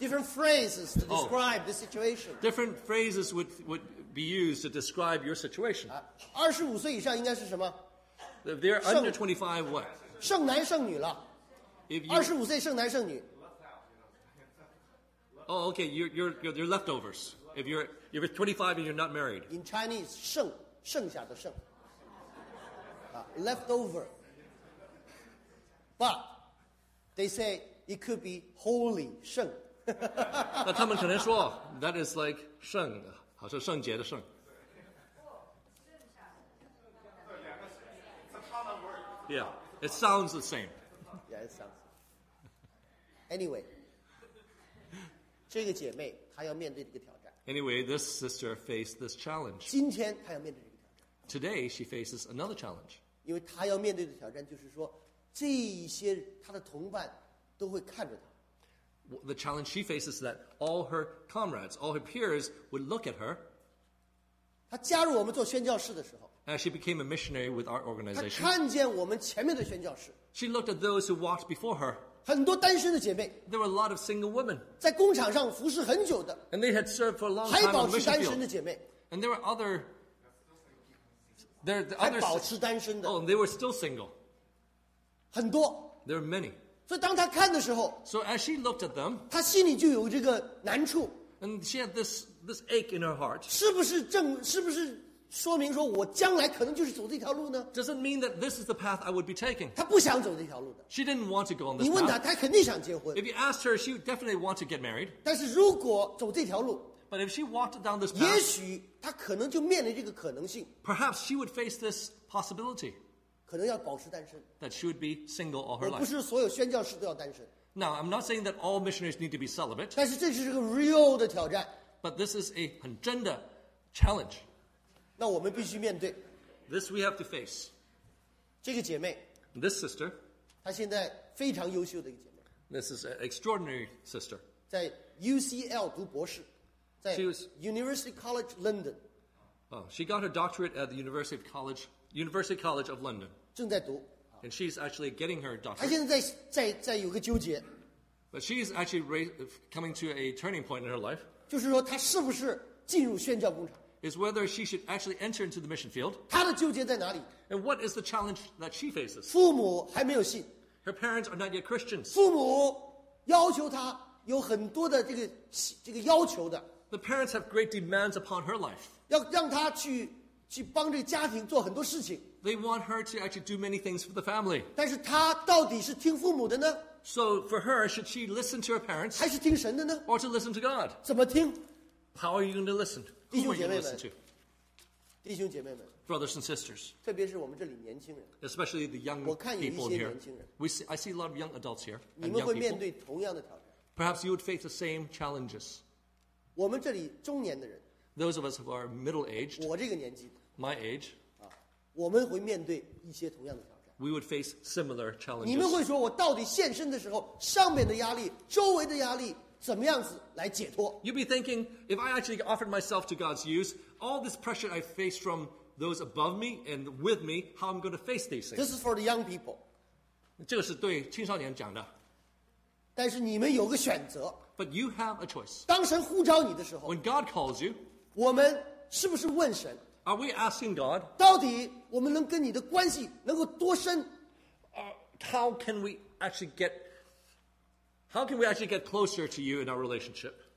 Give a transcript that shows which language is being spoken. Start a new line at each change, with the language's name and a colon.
English: Different phrases to describe the situation. Different phrases would be used to describe your situation.
Chinese: 二十五岁以上应该是什么
English: ？If they're under 25, what?
Chinese: 剩男剩女了。二十五岁剩男剩女。
English: Oh, okay. You're leftovers. If you're 25 and you're not married. In Chinese,
Chinese: 剩下的剩。
English: Leftover, but they say it could be holy 圣。
Chinese: 那他们可能说
English: that is like
Chinese: 圣，好像圣洁的圣。
English: Yeah, it sounds the same. Yeah, it sounds. Anyway,
Chinese: 这个姐妹她要面对这个挑战。
English: Anyway, this sister faced this challenge.
Chinese: 今天她要面对这个挑战。
English: Today, she faces another challenge.
Chinese: 因为她要面对的挑战就是说，这些她的同伴都会看着她。
English: The challenge she faces is that all her comrades, all her peers would look at her.
Chinese: 她加入我们做宣教士的时候。
English: As she became a missionary with our organization.
Chinese: 她看见我们前面的宣教士。
English: She looked at those who walked before her.
Chinese: 很多单身的姐妹。
English: There were a lot of single women.
Chinese: 在工厂上服侍很久的。
English: And they had served for a long time.
Chinese: 还保持单身的姐妹。
English: And there were other. There the others.
Chinese: 还保持单身的。
English: Oh, and they were still single.
Chinese: 很多。
English: There were many.
Chinese: 所以当她看的时候。
English: So as she looked at them.
Chinese: 她心里就有这个难处。
English: And she had this ache in her heart.
Chinese: 是不是说明说我将来可能就是走这条路呢
English: doesn't mean that this is the path I would be taking.
Chinese: 她不想走这条路的。
English: She didn't want to go on this path.
Chinese: 你问她她肯定想结婚。
English: If you asked her, she would definitely want to get married.
Chinese: 但是如果走这条路
English: But if she walked down this path,
Chinese: 也许她可能就面临这个可能性。
English: Perhaps she would face this possibility.
Chinese: 可能要保持单身。
English: That she would be single all her life.
Chinese: 不是所有宣教士都要单身。
English: Now, I'm not saying that all missionaries need to be celibate.
Chinese: 但是这是个 real 的挑战。
English: But this is a
Chinese: 很真的
English: challenge.
Chinese: 那我们必须面对。
English: This we have to face.
Chinese: 这个姐妹。
English: This sister.
Chinese: 她现在非常优秀的一个姐妹。
English: This is an extraordinary sister.
Chinese: 在 UCL 读博士。在 University College London.
English: Oh, she got her doctorate at the University College of London.
Chinese: 正在读。
English: And she's actually getting her doctorate.
Chinese: 她现在在有个纠结。
English: But she's actually coming to a turning point in her life.
Chinese: 就是说她是不是进入宣教工厂。
English: Is whether she should actually enter into the mission field.
Chinese: 她的纠结在哪里?
English: And what is the challenge that she faces?
Chinese: 父母还没有信。
English: Her parents are not yet Christians.
Chinese: 父母要求她有很多的这个要求的。
English: The parents have great demands upon her life.
Chinese: 要让她去帮这个家庭做很多事情。
English: They want her to actually do many things for the family.
Chinese: 但是她到底是听父母的呢?
English: So for her, should she listen to her parents?
Chinese: 还是听神的呢?
English: Or to listen to God?
Chinese: 怎么听?
English: How are you going to listen?
Chinese: 弟兄姐妹们，弟兄姐妹们
English: ，brothers and sisters，
Chinese: 特别是我们这里年轻人
English: ，especially the young people here。
Chinese: 我看有一些年轻人
English: ，I see a lot of young adults here。
Chinese: 你们会面对同样的挑战
English: ？Perhaps you would face the same challenges。
Chinese: 我们这里中年的人
English: ，those of us who are middle aged，
Chinese: 我这个年纪
English: ，my age，
Chinese: 我们会面对一些同样的挑战。
English: We would face similar challenges。
Chinese: 你们会说我到底现身的时候，上面的压力，周围的压力。怎么样子来解脱
English: You'd be thinking, if I actually offered myself to God's use, all this pressure I face from those above me and with me, how I'm going to face these things. This is for the young people.
Chinese: 这个是对青少年讲的。但是你们有个选择。
English: But you have a choice.
Chinese: 当神呼召你的时候。
English: When God calls you.
Chinese: 我们是不是问神。
English: Are we asking God?
Chinese: 到底我们能跟你的关系能够多深。
English: How can we actually get How can we actually get closer to you in our relationship?